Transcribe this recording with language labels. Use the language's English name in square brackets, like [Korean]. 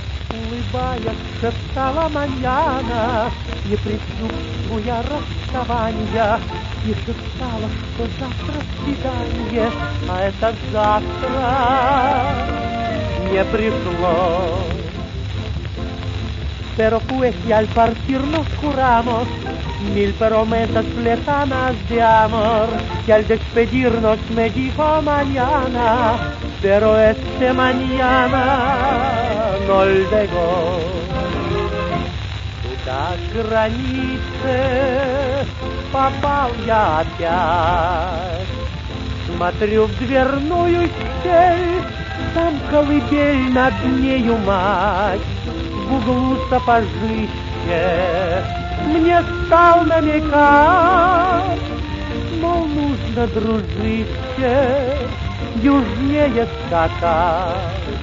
[Russian] Улыбаясь, шептала маньяна, не предчувствуя расставания, и шептала, что завтра свидание, а это завтра не пришло. [Spanish] Pero pues ya al partir nos juramos mil promesas lejanas de amor, y al despedirnos me dijo mañana, pero este mañana no llegó. [Russian] Так границы попал я опять. Смотрю в дверную щель, там колыбель над нею мать. В углу сапожище мне стал намекать, мол, нужно, дружище, южнее скакать.